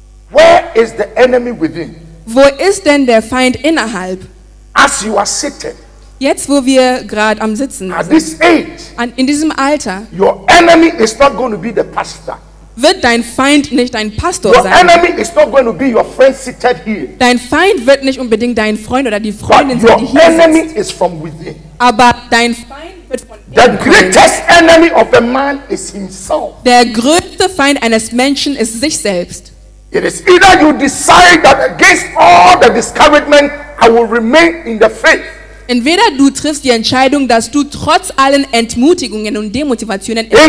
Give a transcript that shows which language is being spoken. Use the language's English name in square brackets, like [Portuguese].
[English] Where is the enemy within? [German] Wo ist denn der Feind innerhalb? [English] As you are sitting. [German] Jetzt, wo wir gerade am Sitzen sind, in diesem Alter, [English] your enemy is not going to be the pastor. [German] Wird dein Feind nicht dein Pastor [English] your [German] sein. [English] Enemy is not going to be your friend seated here. [German] Dein Feind wird nicht unbedingt dein Freund oder die Freundin sein, die hier [English] enemy [German] sitzt. [English] Is from within. [German] Aber dein Feind wird von [English] the greatest enemy of a man is himself. [German] Der größte Feind eines Menschen ist sich selbst. [English] It is either you decide that against all the discouragement, I will remain in the faith. [German] Entweder du triffst die Entscheidung, dass du trotz allen Entmutigungen und Demotivationen